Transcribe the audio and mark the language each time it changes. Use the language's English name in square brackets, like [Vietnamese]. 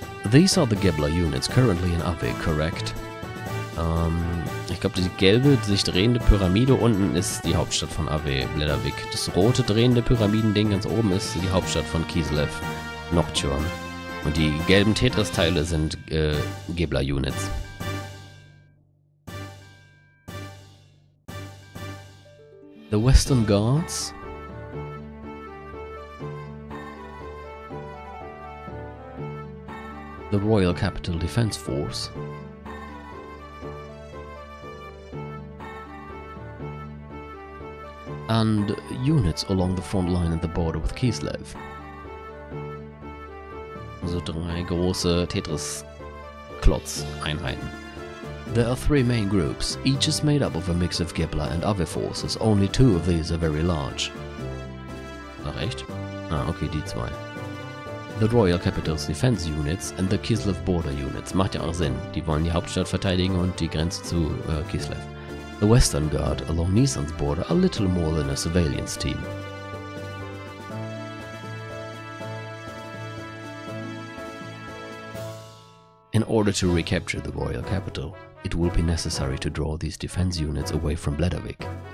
[English] These are the Gebler units currently in Avik, correct? [German] Ich glaube, die gelbe, sich drehende Pyramide unten ist die Hauptstadt von Avik, Bledervik. Das rote, drehende Pyramidending ganz oben ist die Hauptstadt von Kislev, Nocturne. Und die gelben Tetris-Teile sind Gebler units. [English] The Western Guards? The Royal Capital Defense Force. And units along the front line at the border with Kislev. [German] Also drei große Tetris-Klotz-Einheiten. [English] There are three main groups. Each is made up of a mix of Gebler and other forces. Only two of these are very large. [German] Ach echt? Ah, okay, die zwei. [English] The Royal Capital's Defense Units and the Kislev Border Units. [German] Macht ja auch Sinn. Die wollen die Hauptstadt verteidigen und die Grenze zu Kislev. [English] The Western Guard along Nisan's border are little more than a surveillance team. In order to recapture the Royal Capital, it will be necessary to draw these defense units away from Bledervik.